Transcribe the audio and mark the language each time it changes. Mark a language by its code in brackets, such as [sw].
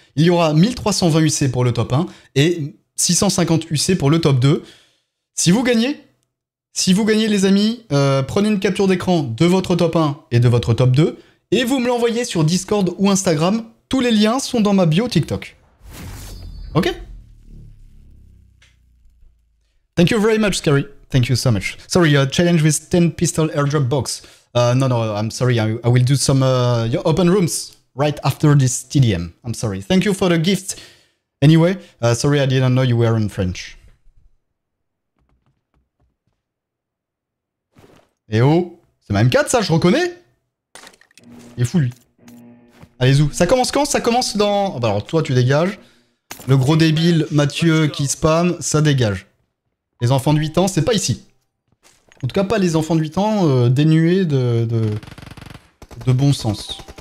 [fr] Il y aura 1320 UC pour le top 1 et 650 UC pour le top 2. Si vous gagnez, Si vous gagnez, les amis, prenez une capture d'écran de votre top 1 et de votre top 2 et vous me l'envoyez sur Discord ou Instagram. Tous les liens sont dans ma bio TikTok. Ok? [en] Thank you very much, Scary. Thank you so much. Sorry, your challenge with 10 pistol airdrop box. No, I'm sorry. I will do some your open rooms right after this TDM. I'm sorry. Thank you for the gift. Anyway, sorry, I didn't know you were in French. [fr] Eh oh, c'est ma M4 ça, je reconnais. Il est fou lui. Allez Zou, ça commence quand? Ça commence dans... Oh, bah alors toi tu dégages. Le gros débile Mathieu qui spam, ça dégage. Les enfants de 8 ans, c'est pas ici. En tout cas pas les enfants de 8 ans dénués de bon sens.